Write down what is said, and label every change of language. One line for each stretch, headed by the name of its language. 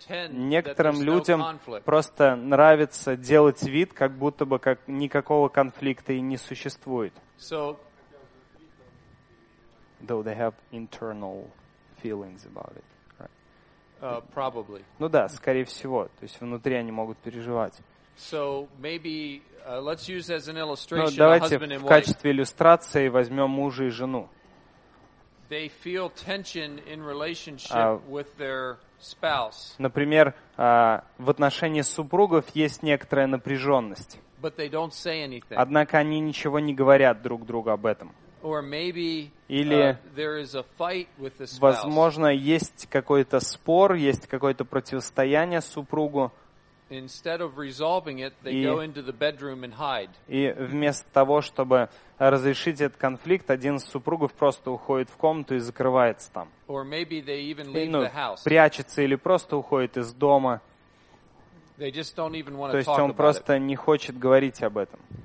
Russian: Некоторым людям просто нравится делать вид, как будто бы как никакого конфликта и не существует.
English: Though they have internal feelings about it, right? Probably.
Russian: Ну да, скорее всего. То есть внутри они могут переживать.
English: So maybe let's use as an illustration husband and wife.
Russian: Давайте в качестве иллюстрации возьмем мужа и жену.
English: They feel tension in relationship with their spouse.
Russian: Например, в отношении супругов есть некоторая напряженность.
English: But they don't say anything.
Russian: Однако они ничего не говорят друг другу об этом.
English: Or maybe there is a fight with the spouse.
Russian: Возможно, есть какой-то спор, есть какое-то противостояние супругу.
English: Instead of resolving it, they go into the bedroom and hide.
Russian: И вместо того, чтобы разрешить этот конфликт, один из супругов просто уходит в комнату и закрывается там.
English: Or maybe they even leave the house.
Russian: Прячется или просто уходит из дома.
English: They just don't even want
Russian: it. То есть он просто не хочет говорить об этом.